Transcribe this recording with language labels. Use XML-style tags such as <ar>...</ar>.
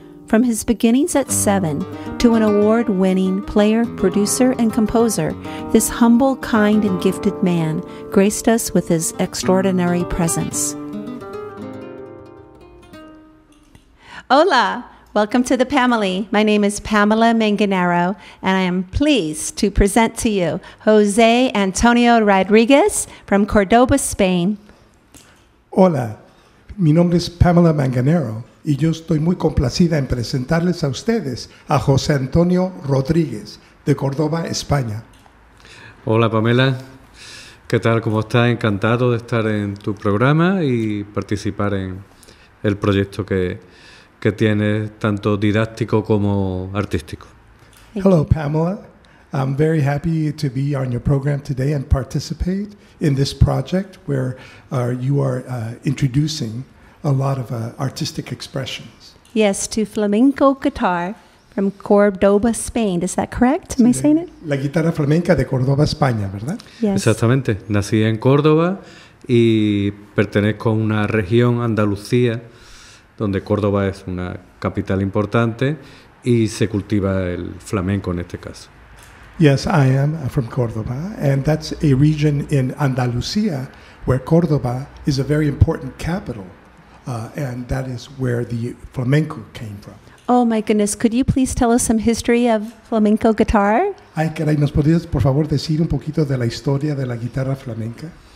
<en>From his beginnings at 7 to an award-winning player, producer, and composer, this humble, kind, and gifted man graced us with his extraordinary presence. Hola! Welcome to the family. My name is Pamela Manganaro, and I am pleased to present to you José Antonio Rodríguez from Cordoba, Spain.</en> <es>Hola, mi nombre es Pamela Manganaro, y yo estoy muy complacida en presentarles a ustedes a José Antonio Rodríguez de Cordoba, España. Hola, Pamela. ¿Qué tal? ¿Cómo estás? Encantado de estar en tu programa y participar en el proyecto que tiene tanto didáctico como artístico.</es> <en>Hello, Pamela. I'm very happy to be on your program today and participate in this project where you are introducing a lot of artistic expressions. Yes, to flamenco guitar from Cordoba, Spain. Is that correct? Am I saying it?</en> <es>La guitarra flamenca de Córdoba, España, ¿verdad? Yes. Exactamente. Nací en Córdoba y pertenezco a una región, Andalucía, donde Córdoba es una capital importante y se cultiva el flamenco en este caso.</es> <en>Yes, I am from Córdoba, and that's a region in Andalucía where Córdoba is a very important capital, and that is where the flamenco came from. Oh my goodness, could you please tell us some history of flamenco guitar?</en> <es>Ay, caray, ¿nos podrías, por favor, decir un poquito de la historia de la guitarra flamenca?</es>